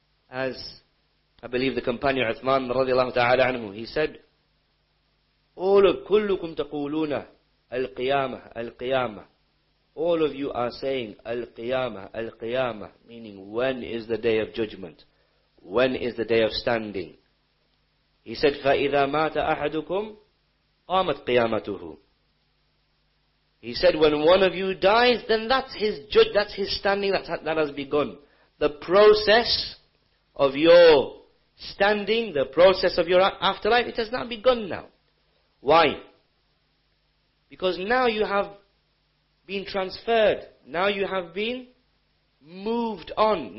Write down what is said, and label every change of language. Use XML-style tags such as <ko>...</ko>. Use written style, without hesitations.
<en>As I believe the companion Uthman radiallahu ta'ala anhu, he said,</en> <ar>كلكم تقولون القيامة القيامة.</ar> <en>All of you are saying</en> <ar>القيامة القيامة,</ar> <en>meaning when is the day of judgment? When is the day of standing? He said,</en> <ar>فَإِذَا مَاتَ أَحَدُكُمْ قَامَتْ قِيَامَتُهُ.</ar> <en>He said, when one of you dies, then that's his standing that has begun. The process of your standing, the process of your afterlife, it has not begun now. Why? Because now you have been transferred. Now you have been moved on.</en>